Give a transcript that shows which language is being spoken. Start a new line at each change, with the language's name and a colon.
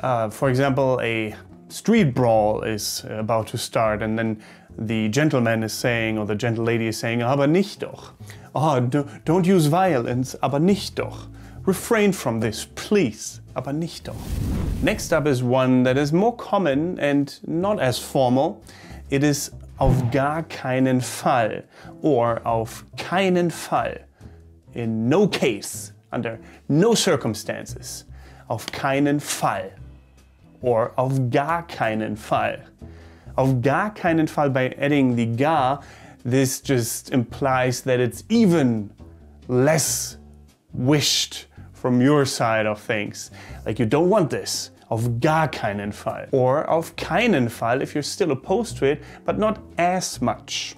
English: For example, a street brawl is about to start and then the gentleman is saying, or the gentle lady is saying,
German: aber nicht doch.
English: Oh, don't use violence,
German: aber nicht doch.
English: Refrain from this, please.
German: Aber nicht doch.
English: Next up is one that is more common and not as formal. It is
German: auf gar keinen Fall or auf keinen Fall.
English: In no case, under no circumstances.
German: Auf keinen Fall or auf gar keinen Fall. Auf gar keinen Fall,
English: by adding the gar, this just implies that it's even less wished from your side of things. Like, you don't want this.
German: Auf gar keinen Fall.
English: Or
German: auf keinen Fall,
English: if you're still opposed to it, but not as much.